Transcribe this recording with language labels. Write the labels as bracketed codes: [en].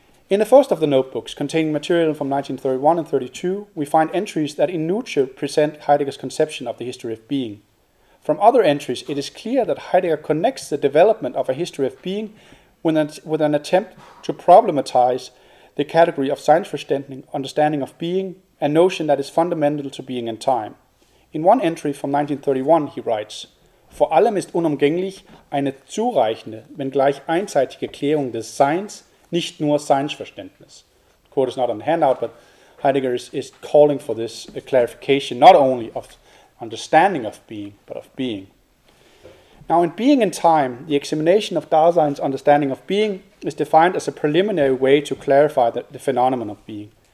[en] In the first of the notebooks containing material from 1931 and 32, we find entries that in Nietzsche present Heidegger's conception of the history of being. From other entries, it is clear that Heidegger connects the development of a history of being with an attempt to problematize the category of Seinsverständnis, understanding of being, a notion that is fundamental to being and time. [de] In one entry from 1931, he writes, "Vor allem ist unumgänglich eine zureichende, wenngleich einseitige Klärung des Seins, nicht nur Seinsverständnis." [en] The quote is not on the handout, but Heidegger is calling for this clarification, not only of understanding of being, but of being. Now, in Being and Time, the examination of Dasein's understanding of being is defined as a preliminary way to clarify the phenomenon of being.